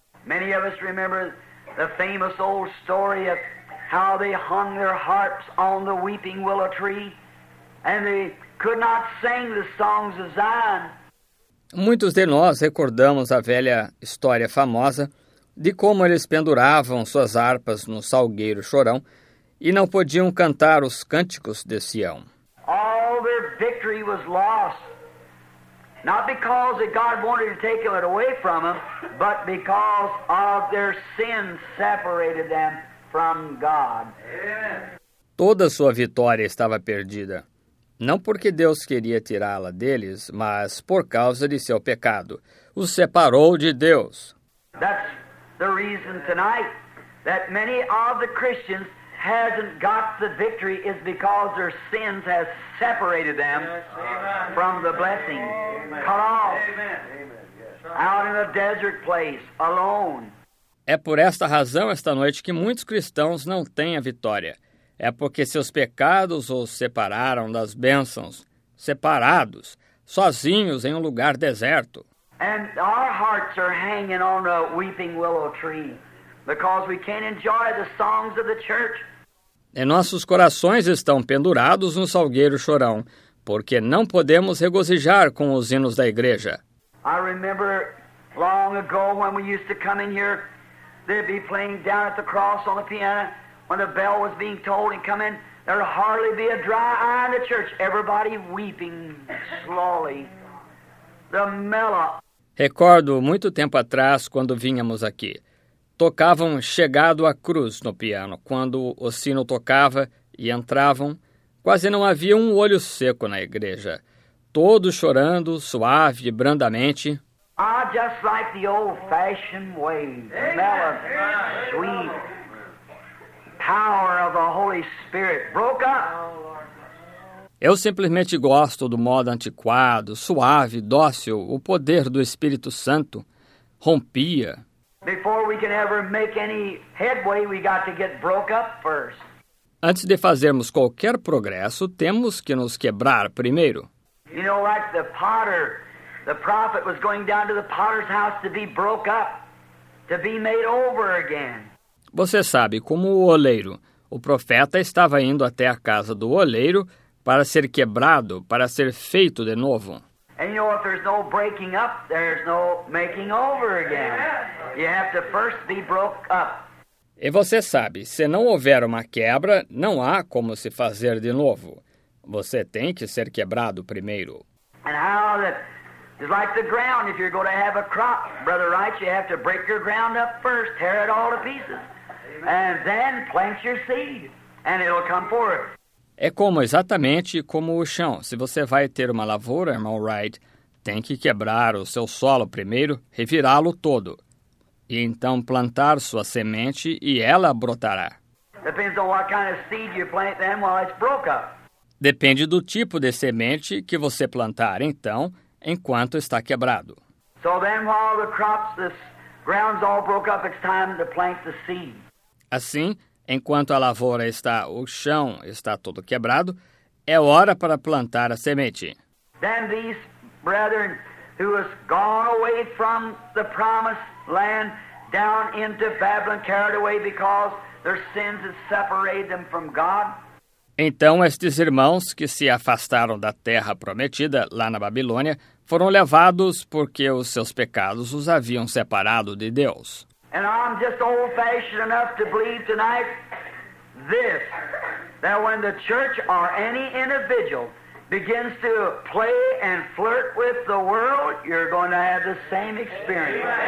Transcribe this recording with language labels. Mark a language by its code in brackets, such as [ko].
[en] Many of us remember the famous old story of how they hung their harps on the weeping willow tree and they could not sing the songs of Zion. [pt] Muitos de nós recordamos a velha história famosa de como eles penduravam suas harpas no salgueiro Chorão e não podiam cantar os cânticos de Sião. [en] All their victory was lost. Not because God wanted to take it away from them, but because of their sin separated them from God. [pt] Toda sua vitória estava perdida, não porque Deus queria tirá-la deles, mas por causa de seu pecado. Os separou de Deus. [en] That's the reason tonight that many of the Christians hasn't got the victory is because their sins has separated them from the blessing. Cut off. Out in a desert place, alone. [pt] É por esta razão esta noite que muitos cristãos não têm a vitória. É porque seus pecados os separaram das bênçãos, separados, sozinhos em um lugar deserto. [en] And our hearts are hanging on a weeping willow tree because we can't enjoy the songs of the church. [pt] E nossos corações estão pendurados no salgueiro Chorão, porque não podemos regozijar com os hinos da igreja. [en] I remember long ago when we used to come in here, they'd be playing Down at the Cross on the piano. When the bell was being tolled and come in, there'd hardly be a dry eye in the church. Everybody weeping slowly. The mellow. [pt] Recordo muito tempo atrás, quando vínhamos aqui. Tocavam Chegado à Cruz no piano. Quando o sino tocava e entravam, quase não havia um olho seco na igreja. Todos chorando, suave, brandamente. [en] I just like the old-fashioned way. Mellow, sweet. Power of the Holy Spirit broke up. [pt] Eu simplesmente gosto do modo antiquado, suave, dócil, o poder do Espírito Santo rompia. [en] Before we can ever make any headway, we got to get broke up first. [pt] Antes de fazermos qualquer progresso, temos que nos quebrar primeiro. [en] You know, like the potter, the prophet was going down to the potter's house to be broke up, to be made over again. [pt] Você sabe, como o oleiro, o profeta estava indo até a casa do oleiro para ser quebrado, para ser feito de novo. [en] And you know, if there's no breaking up, there's no making over again. You have to first be broke up. [pt] E você sabe, se não houver uma quebra, não há como se fazer de novo. Você tem que ser quebrado primeiro. [en] And how that is like the ground. If you're going to have a crop, Brother Wright, you have to break your ground up first, tear it all to pieces. And then plant your seed, and it'll come forth. [pt] É como, exatamente como o chão. Se você vai ter uma lavoura, irmão Wright, tem que quebrar o seu solo primeiro, revirá-lo todo. E então plantar sua semente e ela brotará. [en] Depends on what kind of seed you plant then while it's broke up. [pt] Depende do tipo de semente que você plantar então, enquanto está quebrado. [en] So then while the crops, the ground's all broke up, it's time to plant the seed. [pt] Assim, enquanto a lavoura está, o chão está todo quebrado, é hora para plantar a semente. [en] Then these brethren who has gone away from the promised land down into Babylon, carried away because their sins have separated them from God. [pt] Então estes irmãos que se afastaram da terra prometida lá na Babilônia foram levados porque os seus pecados os haviam separado de Deus. [en] And I'm just old-fashioned enough to believe tonight this, that when the church or any individual begins to play and flirt with the world, you're going to have the same experience.